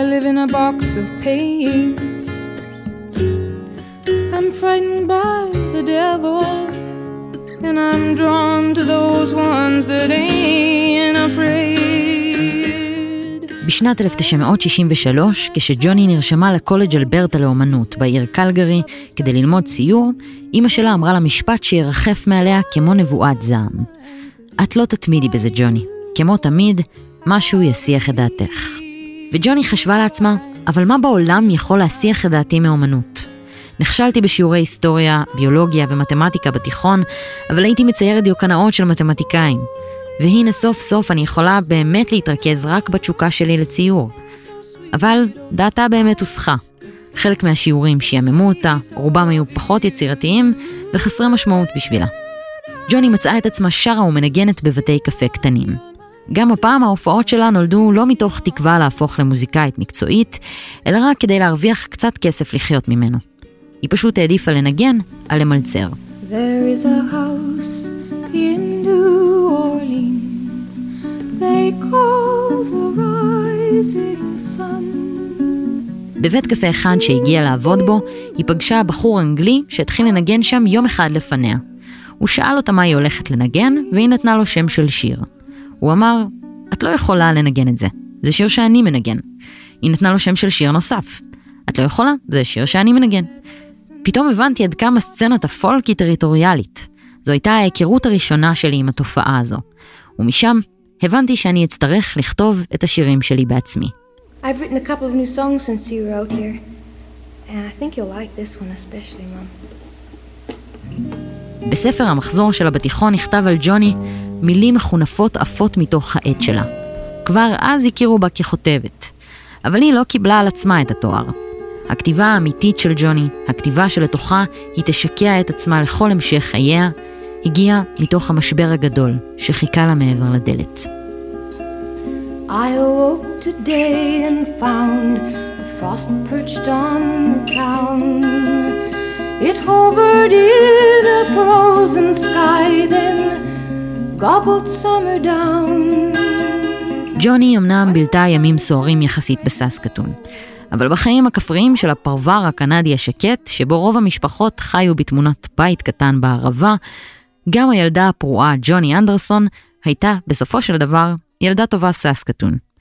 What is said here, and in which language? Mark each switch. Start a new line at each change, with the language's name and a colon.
English: In a box of paints I'm frightened by the devil And I'm drawn to those ones that ain't afraid
Hebrew: בשנת 1963, כשג'וני נרשמה לקולג' אלברטה לאומנות בעיר קלגרי כדי ללמוד ציור, אמא שלה אמרה לה משפט שירחף מעליה כמו נבואת זעם. את לא תתמידי בזה, ג'וני. כמו תמיד, משהו ישיח את דעתך. וג'וני חשבה לעצמה, אבל מה בעולם יכול להסיח את דעתי מאומנות? נכשלתי בשיעורי היסטוריה, ביולוגיה ומתמטיקה בתיכון, אבל הייתי מציירת דיוקנאות של מתמטיקאים. והנה סוף סוף אני יכולה באמת להתרכז רק בתשוקה שלי לציור. אבל דעתה באמת הוסחה. חלק מהשיעורים שיממו אותה, רובם היו פחות יצירתיים וחסרי משמעות בשבילה. ג'וני מצאה את עצמה שרה ומנגנת בבתי קפה קטנים. גם הפעם ההופעות שלה נולדו לא מתוך תקווה להפוך למוזיקאית מקצועית, אלא רק כדי להרוויח קצת כסף לחיות ממנו. היא פשוט העדיפה לנגן על למלצר.
English: There is a house in New Orleans They call the rising sun
Hebrew: בבית קפה אחד שהגיע לעבוד בו, היא פגשה בחור אנגלי שהתחיל לנגן שם יום אחד לפניה. הוא שאל אותה מה היא הולכת לנגן, והיא נתנה לו שם של שיר. הוא אמר, את לא יכולה לנגן את זה, זה שיר שאני מנגן. היא נתנה לו שם של שיר נוסף, את לא יכולה, זה שיר שאני מנגן. פתאום הבנתי עד כמה סצנת הפולק היא טריטוריאלית. זו הייתה ההיכרות הראשונה שלי עם התופעה הזו. ומשם הבנתי שאני אצטרך לכתוב את השירים שלי בעצמי.
English: I've written a couple of new songs since you were out here. And I think you'll like this one especially, mom.
Hebrew: בספר המחזור שלה בתיכון נכתב על ג'וני מילים מחונפות עפות מתוך העת שלה. כבר אז הכירו בה כחותבת. אבל היא לא קיבלה על עצמה את התואר. הכתיבה האמיתית של ג'וני, הכתיבה שלתוכה היא תשקע את עצמה לכל המשך חייה, הגיעה מתוך המשבר הגדול שחיכה לה מעבר לדלת.
English: I awoke today and found the frost perched on the town It hovered in a frozen sky, then gobbled summer down.
Hebrew: ג'וני אמנם בילתה ימים סוערים יחסית בסאסקטון, אבל בחיים הכפריים של הפרוור הקנדי השקט, שבו רוב המשפחות חיו בתמונת בית קטן בערבה, גם הילדה הפרועה ג'וני אנדרסון הייתה, בסופו של דבר, ילדה טובה סאסקטון.